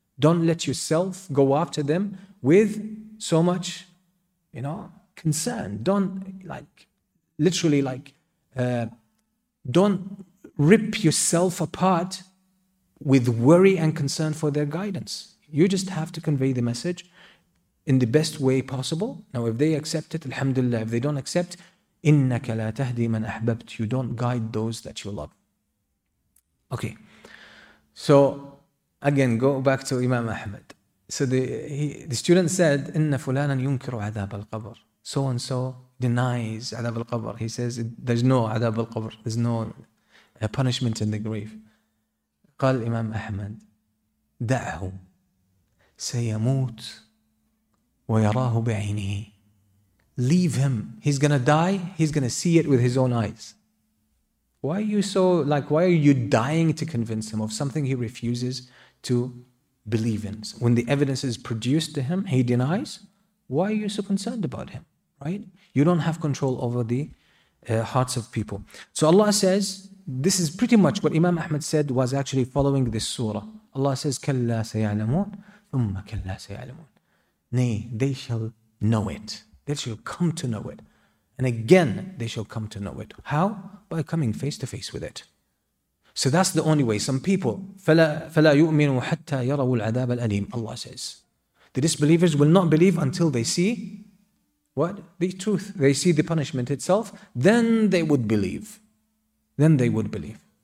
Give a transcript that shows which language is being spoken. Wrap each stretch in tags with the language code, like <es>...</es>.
<en>Don't let yourself go after them with so much, you know, concern. Don't, like, literally, like, don't rip yourself apart with worry and concern for their guidance. You just have to convey the message in the best way possible. Now, if they accept it, alhamdulillah. If they don't accept,</en> <ar>إِنَّكَ لَا تَهْدِي مَنْ أَحْبَبْتُ.</ar> <en>You don't guide those that you love. Okay. So, again, go back to Imam Ahmad. So the student said,</en> <ar>إِنَّ فُلَانًا يُنْكِرُ عَذَابَ الْقَبْرِ.</ar> <en>So-and-so denies عَذَابَ الْقَبْرِ. He says, there's no عَذَابَ الْقَبْرِ. There's no punishment in the grave.</en> <ar>قال Imam Ahmad, دَعْهُ سَيَمُوتُ وَيَرَاهُ بِعِينِهِ.</ar> <en>leave him. He's going to die. He's going to see it with his own eyes. Why are you so, like, why are you dying to convince him of something he refuses to believe in? When the evidence is produced to him, he denies. Why are you so concerned about him, right? You don't have control over the hearts of people. So Allah says, this is pretty much what Imam Ahmad said was actually following this surah. Allah says,</en> <ar>كَلَّا سَيَعْلَمُونَ ثُمَّ كَلَّا سَيَعْلَمُونَ.</ar> <en>Nay, they shall know it. They shall come to know it. And again, they shall come to know it. How? By coming face to face with it. So that's the only way. Some people,</en> <ar>فَلَا يُؤْمِنُوا حَتَّى يَرَوُوا الْعَذَابَ الْأَلِيمِ.</ar> <en>Allah says, the disbelievers will not believe until they see what? The truth. They see the punishment itself. Then they would believe. Then they would believe.</en>